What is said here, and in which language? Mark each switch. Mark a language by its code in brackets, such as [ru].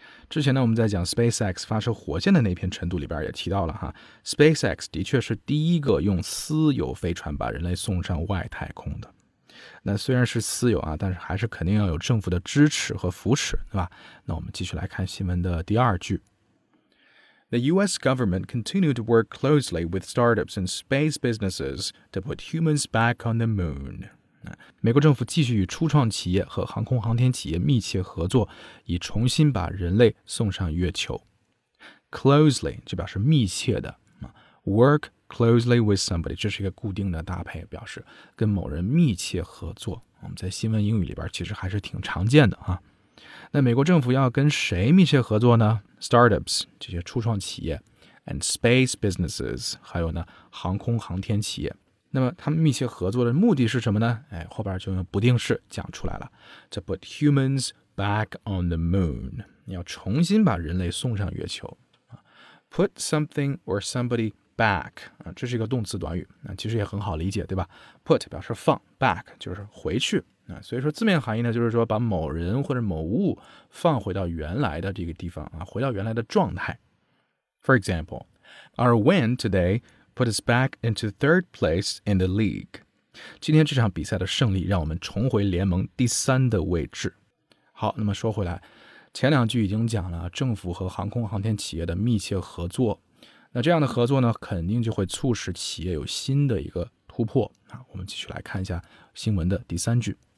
[zh] 之前呢我们在讲 SpaceX 发射火箭的那篇晨读里边也提到了哈， SpaceX 的确是第一个用私有飞船把人类送上外太空的。那虽然是私有啊，但是还是肯定要有政府的支持和扶持，对吧？那我们继续来看新闻的第二句。 [en] The U.S. government continued to work closely with startups and space businesses to put humans back on the moon. [zh] 美国政府继续与初创企业和航空航天企业密切合作，以重新把人类送上月球。 Closely 就表示密切的。 [en] Work closely with somebody [zh] 这是一个固定的搭配，表示跟某人密切合作。我们在新闻英语里边其实还是挺常见的啊。那美国政府要跟谁密切合作呢？ Startups 这些初创企业 [en] and space businesses [zh] 还有呢航空航天企业。那么他们密切合作的目的是什么呢？哎，后边就用不定式讲出来了。 [en] To put humans back on the moon， [zh] 要重新把人类送上月球。 [en] Put something or somebody back， [zh] 这是一个动词短语，其实也很好理解，对吧？ Put 表示放， back 就是回去。所以说字面含义呢，就是说把某人或者某物放回到原来的这个地方，回到原来的状态。 [en] For example, our win today put us back into third place in the league. [zh] 今天这场比赛的胜利让我们重回联盟第三的位置。好，那么说回来，前两句已经讲了政府和航空航天企业的密切合作。那这样的合作呢，肯定就会促使企业有新的一个突破。我们继续来看一下新闻的第三句。